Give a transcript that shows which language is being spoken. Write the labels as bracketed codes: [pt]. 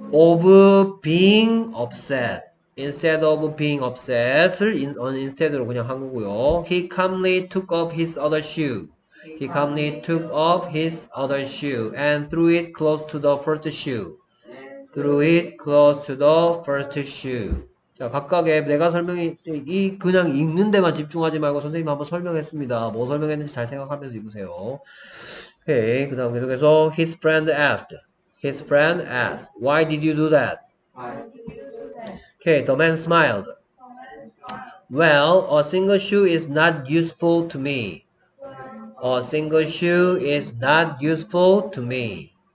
[en] Of being upset. Instead of being upset을 instead로 [ko] 그냥 한 거고요. [en] He calmly took off his other shoe. He He calmly took took off off his his other other shoe shoe and threw it close to the first shoe. and Threw it it close to the first close shoe. [ko] 자, 각각의 내가 설명이 이 그냥 읽는 데만 집중하지 말고 선생님 한번 설명했습니다. 뭐 설명했는지 잘 생각하면서 읽으세요. 오케이. 그 다음 계속해서 [en] his friend asked. His friend asked, "Why did you do that?" Okay, the man smiled. "Well, a single shoe is not useful to me. A single shoe is not useful to me.